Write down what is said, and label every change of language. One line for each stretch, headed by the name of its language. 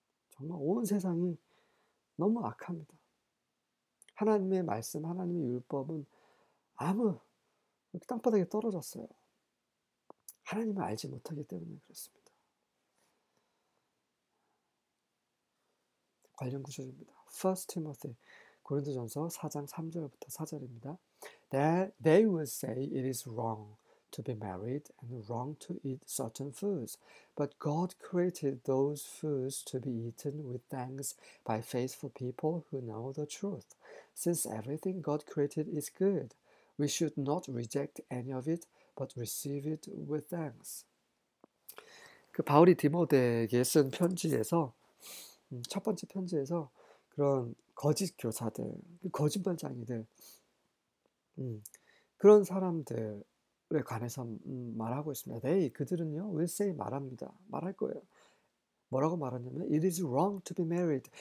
Korean: 정말 온 세상이 너무 악합니다. 하나님의 말씀, 하나님의 율법은 땅바닥에 떨어졌어요. 하나님을 알지 못하기 때문에 그렇습니다. 관련 구절입니다. 1 티모데 고린도전서 4장 3절부터 4절입니다.
English: That they will say it is wrong to be married and wrong to eat certain foods, but God created those foods to be eaten with thanks by faithful people who know the truth. Since everything God created is good, we should not reject any of it, but receive it with thanks.
Korean: 그 바울이 디모데에게 쓴 편지에서 첫 번째 편지에서 그런 거짓 교사들, 거짓말쟁이들 그런 사람들에 관해서 말하고 있습니다. 에이, 그들은요,
English: will say
Korean: 말합니다. 말할 거예요. 뭐라고 말하냐면,
English: it is wrong to be married.